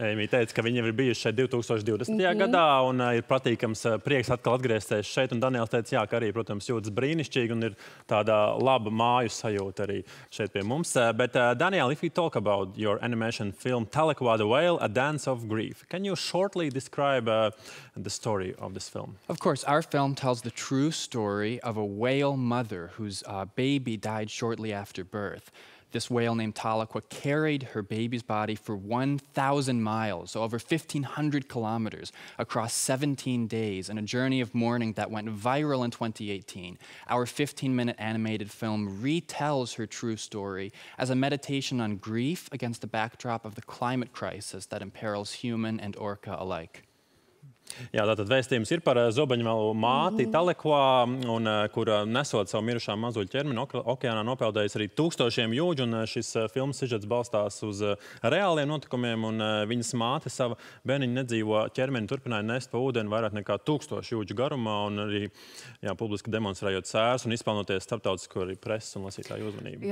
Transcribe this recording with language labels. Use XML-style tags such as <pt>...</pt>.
<lv>Amy teica, ka viņi ir bijuši šeit 2020. Gadā un ir patīkams prieks atkal atgriezties šeit. Un Daniels teica, jā, ka arī, protams, jūtas brīnišķīgi un ir tāda laba māju sajūta arī šeit pie mums.</lv> <en>Bet, Daniel, if we talk about your animation film Talekwa the Whale, A Dance of Grief, can you shortly describe the story of this film? Of course, our film tells the true story of a whale mother whose baby died shortly after birth. This whale named Talekwa carried her baby's body for 1,000 miles, so over 1,500 kilometers, across 17 days in a journey of mourning that went viral in 2018. Our 15-minute animated film retells her true story as a meditation on grief against the backdrop of the climate crisis that imperils human and orca alike.</en> <lv>Jā, tātad vēstījums ir par zobeņvalu māti Talekwa, un kur nesot savu mirušā mazuļu ķermeni okeānā nopeldējis arī tūkstošiem jūģu, un šis filmas sižets balstās uz reāliem notikumiem, un viņas māte sava bērniņa nedzīvo ķermeni turpināja nest pa ūdeni vairāk nekā 1000 jūģu garumā, un arī publiski demonstrējot sērs un izpelnoties starptautisko arī presas un lasītāju uzmanību.</lv>